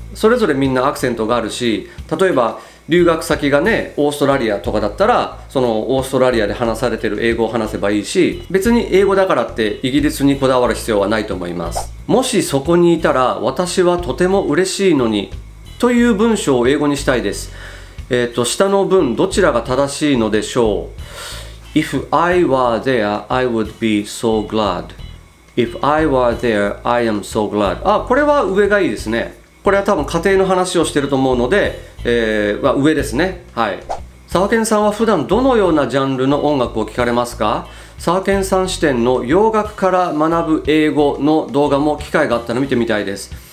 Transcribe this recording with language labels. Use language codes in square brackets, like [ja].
[ja] それぞれみんなアクセントがあるし、例えば留学先がねオーストラリアとかだったら、そのオーストラリアで話されてる英語を話せばいいし、別に英語だからってイギリスにこだわる必要はないと思います。もしそこにいたら私はとても嬉しいのにという文章を英語にしたいです。下の文どちらが正しいのでしょう。 [en] If I were there, I would be so glad. If I were there, I am so glad. [ja] あ、これは上がいいですね。これは多分家庭の話をしてると思うので、上ですね。はい。沢健さんは普段どのようなジャンルの音楽を聴かれますか？沢健さん視点の洋楽から学ぶ英語の動画も機会があったら見てみたいです。